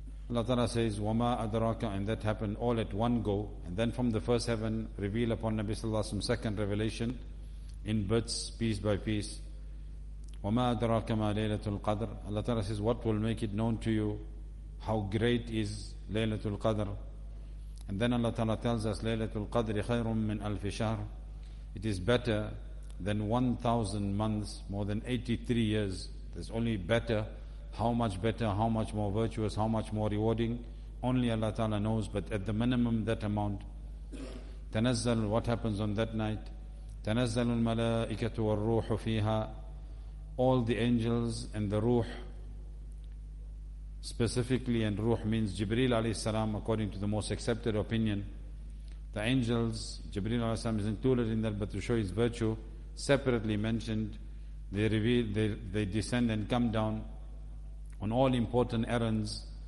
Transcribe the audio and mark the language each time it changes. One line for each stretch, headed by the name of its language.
English: Allah Ta'ala says,
Arabic: وَمَا أَدْرَاكَ,
English: and that happened all at one go, and then from the first heaven, reveal upon Nabi Sallallahu Alaihi Wasallam second revelation in bits, piece by piece.
Arabic: وما أدراك ما ليلة القدر.
English: Allah Ta'ala says, what will make it known to you how great is ليلة القدر. And then Allah Ta'ala tells us,
Arabic: ليلة القدر خير من ألف شهر.
English: It is better than 1,000 months, more than 83 years. There's only better. How much better, how much more virtuous, how much more rewarding? Only Allah Ta'ala knows, but at the minimum that amount. تنزل, what happens on that night?
Arabic: تنزل الملائكة والروح فيها.
English: All the angels and the ruh, specifically, and ruh means Jibreel alayhi salam, according to the most accepted opinion. The angels, Jibreel alayhi salam is included in that, but to show his virtue, separately mentioned, they reveal, they descend and come down on all important errands.